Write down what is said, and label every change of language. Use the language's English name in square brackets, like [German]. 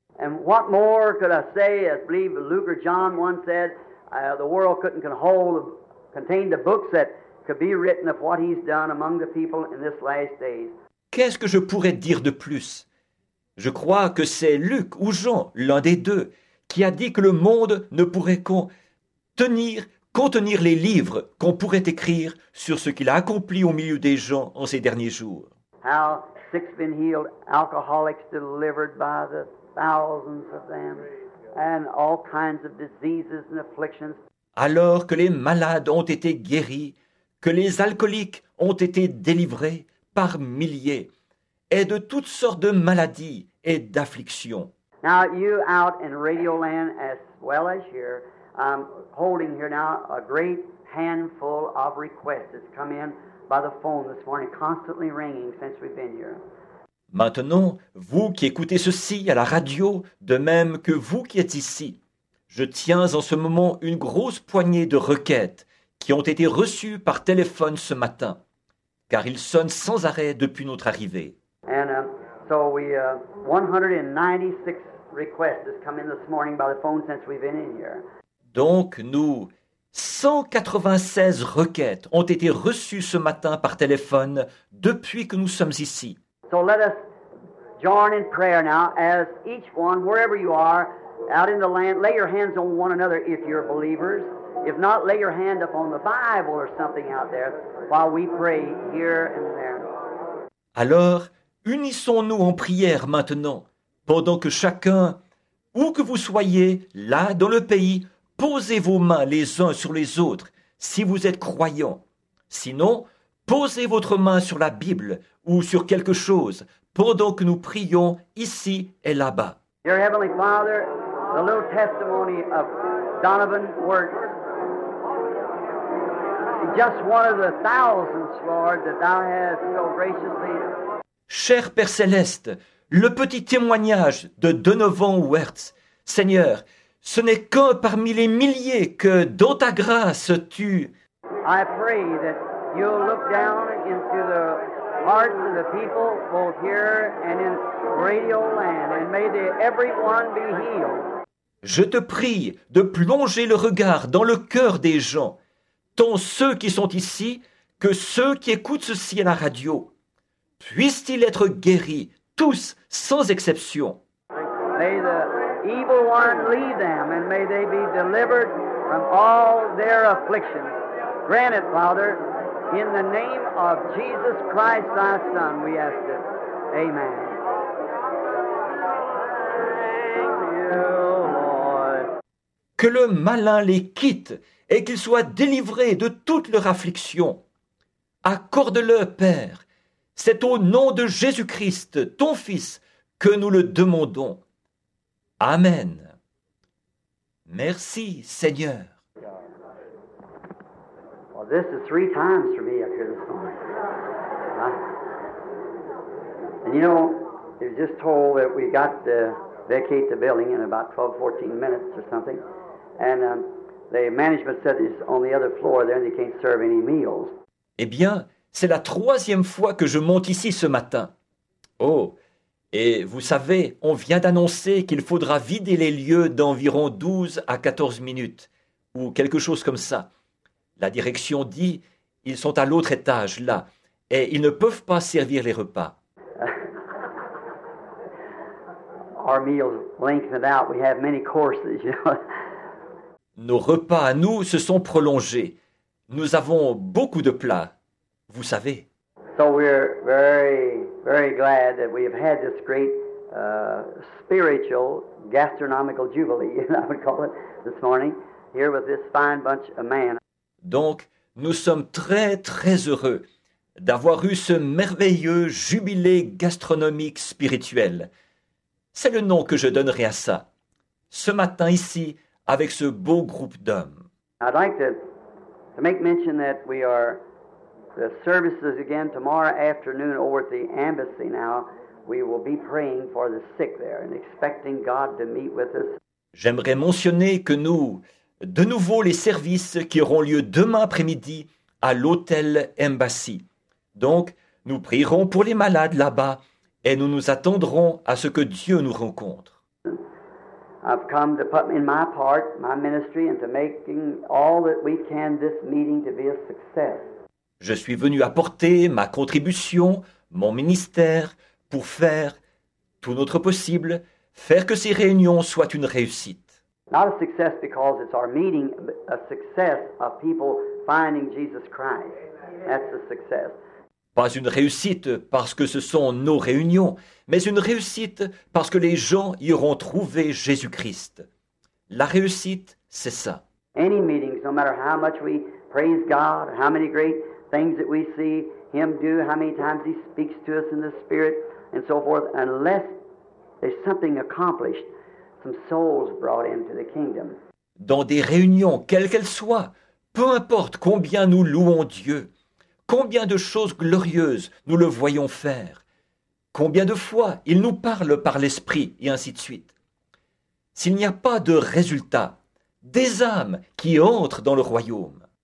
[English] And what more could I say? I believe Luke or John once said, the world couldn't contain the books that could be written of what he's done among the people in this last days. [French] Qu'est-ce que je pourrais dire de plus? Je crois que c'est Luc ou Jean, l'un des deux, qui a dit que le monde ne pourrait contenir les livres qu'on pourrait écrire sur ce qu'il a accompli au milieu des gens en ces derniers jours. [English] How six been healed, alcoholics delivered by the thousands of them, and all kinds of diseases and afflictions. [French] Alors que les malades ont été guéris, que les alcooliques ont été délivrés par milliers, et de toutes sortes de maladies et d'afflictions. [English] Now you out in Radio Land as well as here, I'm holding here now a great handful of requests that's come in by the phone this morning, constantly ringing since we've been here. [French] Maintenant, vous qui écoutez ceci à la radio, de même que vous qui êtes ici, je tiens en ce moment une grosse poignée de requêtes qui ont été reçues par téléphone ce matin, car ils sonnent sans arrêt depuis notre arrivée. [English] And so we 196 requests has come in this morning by the phone since we've been in here. [French] Donc nous 196 requêtes ont été reçues ce matin par téléphone depuis que nous sommes ici. [English] So let us join in prayer now as each one wherever you are out in the land lay your hands on one another if you're believers. If not, lay your hand up on the Bible or something out there while we pray here and there. [French] Alors unissons-nous en prière maintenant, pendant que chacun, où que vous soyez, là dans le pays, posez vos mains les uns sur les autres si vous êtes croyants. Sinon, posez votre main sur la Bible ou sur quelque chose pendant que nous prions ici et là-bas. [English] Dear Heavenly Father, the little testimony of Donovan Wirt, just one of the thousands, Lord, that thou hast so graciously. [French] Cher Père Céleste, le petit témoignage de Donovan Wertz, Seigneur, ce n'est qu'un parmi les milliers que, dans ta grâce, tu... [English] I pray that you'll look down into the hearts of the people, both here and in radio land, and may they, everyone be healed. [French] Je te prie de plonger le regard dans le cœur des gens, tant ceux qui sont ici que ceux qui écoutent ceci à la radio. Puissent-ils être guéris, tous, sans exception. [English] May the evil one lead them, and may they be delivered from all their afflictions. Grant it, Father, in the name of Jesus Christ, thy Son, we ask it. Amen. Thank you, Lord. [French] Que le malin les quitte et qu'ils soient délivrés de toute leur affliction. Accorde-le, Père. C'est au nom de Jésus-Christ, ton Fils, que nous le demandons. Amen. Merci, Seigneur. [English] Well, this is three times for me up here this morning. And you know, it was just told that we got to vacate the building in about 12, 14 minutes or something. And the management said it's on the other floor there and they can't serve any meals. [French] Eh bien, c'est la troisième fois que je monte ici ce matin. Oh, et vous savez, on vient d'annoncer qu'il faudra vider les lieux d'environ 12 à 14 minutes, ou quelque chose comme ça. La direction dit, ils sont à l'autre étage, là, et ils ne peuvent pas servir les repas. [English] Our meals lengthened out. We have many courses, you know. [French] Nos repas à nous se sont prolongés. Nous avons beaucoup de plats. Vous savez. [English] So we're very, very glad that we have had this great spiritual gastronomical jubilee, I would call it, this morning, here with this fine bunch of men. [French] Donc, nous sommes très, très heureux d'avoir eu ce merveilleux jubilé gastronomique spirituel. C'est le nom que je donnerai à ça. Ce matin ici, avec ce beau groupe d'hommes. [English] I'd like to make mention that we are. The services again tomorrow afternoon over at the embassy now. We will be praying for the sick there and expecting God to meet with us. [French] J'aimerais mentionner que nous, de nouveau les services qui auront lieu demain après-midi à l'hôtel Embassy. Donc, nous prierons pour les malades là-bas et nous nous attendrons à ce que Dieu nous rencontre. [English] I've come to put in my part, my ministry, and to making all that we can this meeting to be a success. [French] Je suis venu apporter ma contribution, mon ministère, pour faire tout notre possible, faire que ces réunions soient une réussite. [English] Not a success because it's our meeting, but a success of people finding Jesus Christ. That's a success. [French] Pas une réussite parce que ce sont nos réunions, mais une réussite parce que les gens y auront trouvé Jésus-Christ. La réussite, c'est ça. [English] Any meetings, no matter how much we praise God, how many great things that we see him do, how many times he speaks to us in the spirit, and so forth, unless there's something accomplished, some souls brought into the kingdom. [French] Dans des réunions, quelles qu'elles soient, peu importe combien nous louons Dieu, combien de choses glorieuses nous le voyons faire, combien de fois il nous parle par l'esprit, et ainsi de suite. S'il n'y a pas de résultat, des âmes qui entrent dans le royaume.